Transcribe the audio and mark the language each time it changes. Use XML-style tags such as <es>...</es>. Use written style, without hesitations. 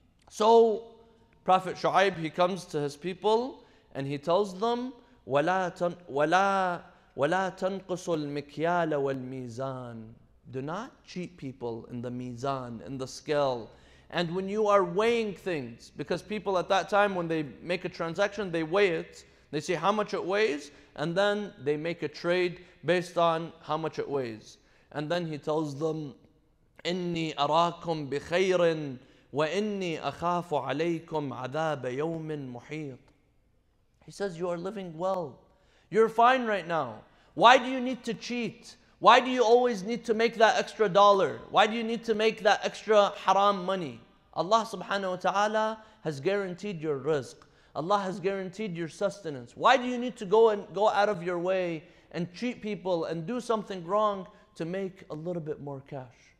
<en>So Prophet Shuayb, he comes to his people and he tells them,</en> <ar>وَلَا تَنْقُصُ الْمِكْيَالَ وَالْمِيزَانِ.</ar> <en>Do not cheat people in the mizan, in the scale. And when you are weighing things, because people at that time, when they make a transaction, they weigh it. They see how much it weighs, and then they make a trade based on how much it weighs. And then he tells them,</en> <ar>إِنِّي أَرَاكُمْ بِخَيْرٍ وَإِنِّي أَخَافُ عَلَيْكُمْ عَذَابَ يَوْمٍ مُحِيطٍ.</ar> <en>He says, you are living well. You're fine right now. Why do you need to cheat? Why do you always need to make that extra dollar? Why do you need to make that extra haram money? Allah subhanahu wa ta'ala has guaranteed your rizq. Allah has guaranteed your sustenance. Why do you need to go out of your way and cheat people and do something wrong to make a little bit more cash?</en>